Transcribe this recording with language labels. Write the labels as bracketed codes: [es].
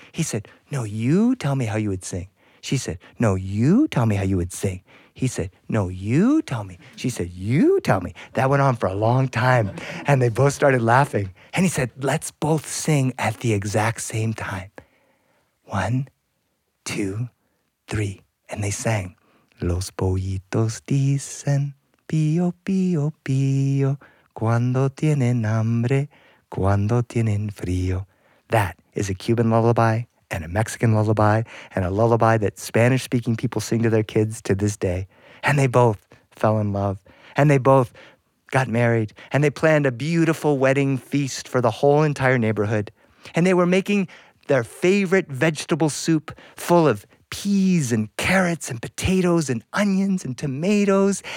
[en] He said, no, you tell me how you would sing. She said, no, you tell me how you would sing. He said, no, you tell me. She said, you tell me. That went on for a long time. And they both started laughing. And he said, let's both sing at the exact same time. One, two, three. And they sang. [es] Los pollitos dicen, pío, pío, pío. Cuando tienen hambre, cuando tienen frío. [en] That is a Cuban lullaby and a Mexican lullaby and a lullaby that Spanish-speaking people sing to their kids to this day. And they both fell in love and they both got married and they planned a beautiful wedding feast for the whole entire neighborhood. And they were making their favorite vegetable soup full of peas and carrots and potatoes and onions and tomatoes.